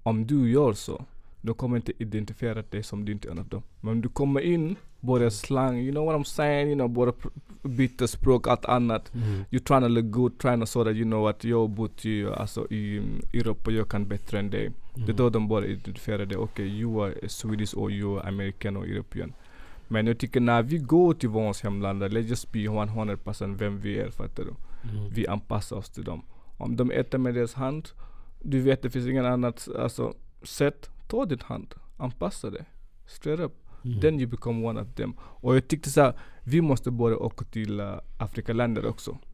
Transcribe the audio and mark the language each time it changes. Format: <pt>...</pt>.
<sv>Om du gör så, då kommer inte identifiera dig som du inte är en av dem. Men om du kommer in, börjar slang,</sv> <en>you know what I'm saying, you know,</en> <sv>börjar byta språk, allt annat.</sv> <en>You're trying to look good, trying to so that you know what,</en> <sv>jag har bott i Europa, jag kan bättre än dig. Det är då de börjar identifiera dig.</sv> <en>Okay, you are Swedish or you are American or European.</en> <sv>Men jag tycker när vi går till vårt hemland,</sv> <en>let's just be 100%</en> <sv>vem vi är, fattar du? Vi anpassar oss till dem. Om de äter med deras hand, du vet det finns ingen annat sätt, ta ditt hand, anpassa det,</sv> <en>straight up. Then you become one of them.</en> <sv>Och jag tyckte så här, vi måste börja åka till Afrikaländer också.</sv>